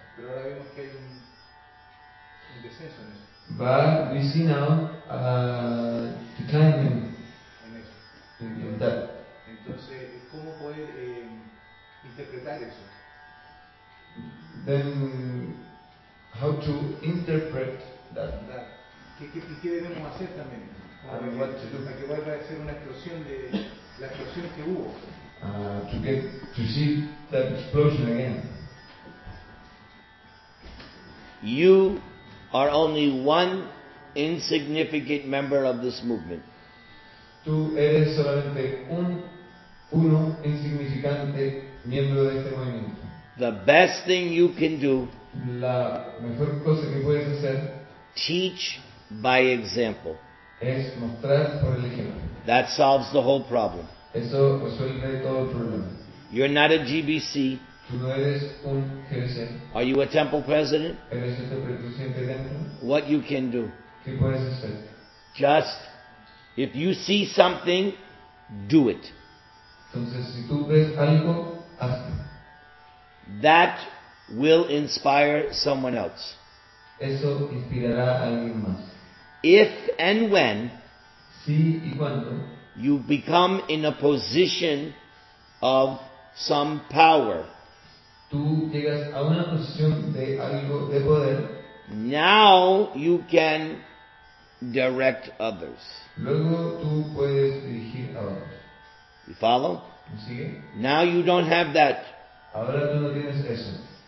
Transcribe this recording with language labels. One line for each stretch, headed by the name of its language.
Spanish: Pero ahora vemos que hay un descenso en eso.
English: But we see now a decline in that.
Spanish: Entonces, ¿cómo poder interpretar eso?
English: Then, how to interpret that?
Spanish: ¿Qué debemos hacer también? Para que vuelva a ser una explosión de la explosión que hubo.
English: To see that explosion again. You are only one insignificant member of this movement.
Spanish: Tú eres solamente uno insignificante miembro de este movimiento.
English: The best thing you can do,
Spanish: la mejor cosa que puedes hacer,
English: teach by example.
Spanish: Es mostrar por el ejemplo.
English: That solves the whole problem.
Spanish: Eso resuelve todo el problema.
English: You're not a GBC.
Spanish: Tú no eres un GBC.
English: Are you a temple president?
Spanish: ¿Eres este presidente de templo?
English: What you can do.
Spanish: ¿Qué puedes hacer?
English: Just, if you see something, do it.
Spanish: Entonces, si tú ves algo, hazlo.
English: That will inspire someone else.
Spanish: Eso inspirará a alguien más.
English: If and when
Spanish: si y cuando
English: you become in a position of some power,
Spanish: tú llegas a una posición de algo de poder.
English: Now you can direct others.
Spanish: Luego tú puedes dirigir a otros.
English: You follow?
Spanish: ¿Sigue?
English: Now you don't have that.
Spanish: Ahora tú no tienes eso.